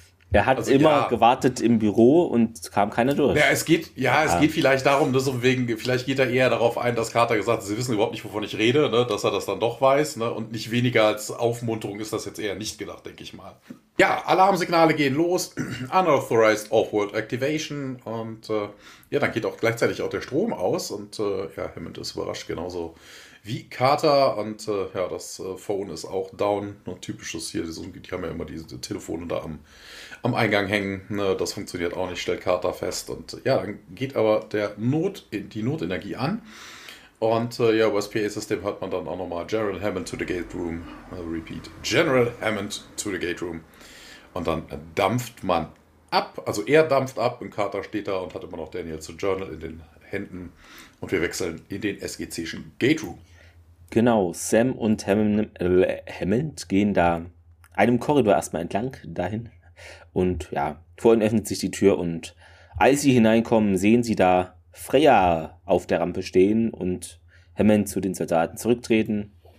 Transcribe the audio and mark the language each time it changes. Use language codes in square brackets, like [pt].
[de] Er hat Also immer ja. gewartet im Büro und kam keiner durch. Ja, es geht vielleicht darum, dass vielleicht geht er eher darauf ein, dass Carter gesagt hat, sie wissen überhaupt nicht, wovon ich rede, ne? Dass er das dann doch weiß, ne? Und nicht weniger als Aufmunterung ist das jetzt eher nicht gedacht, denke ich mal. Ja, Alarmsignale gehen los. [en] Unauthorized Off-World Activation. [de] Und ja, dann geht auch gleichzeitig auch der Strom aus. Und ja, Hammond ist überrascht, genauso wie Carter. Und ja, das Phone ist auch down. Ne? Typisches hier, die haben ja immer diese Telefone da am Eingang hängen. Ne? Das funktioniert auch nicht, stellt Carter fest. Und ja, dann geht aber die Notenergie an. Und ja, über das PA-System hört man dann auch nochmal [en] General Hammond to the Gate Room. Repeat, General Hammond to the Gate Room. [de] Und dann dampft man ab. Also er dampft ab und Carter steht da und hat immer noch Daniel zu Journal in den Händen. Und wir wechseln in den SGC-schen Gate Room. Genau, Sam und Hammond gehen da einem Korridor erstmal entlang dahin. Und ja, vorhin öffnet sich die Tür und als sie hineinkommen, sehen sie da Freya auf der Rampe stehen und Hammond zu den Soldaten zurücktreten.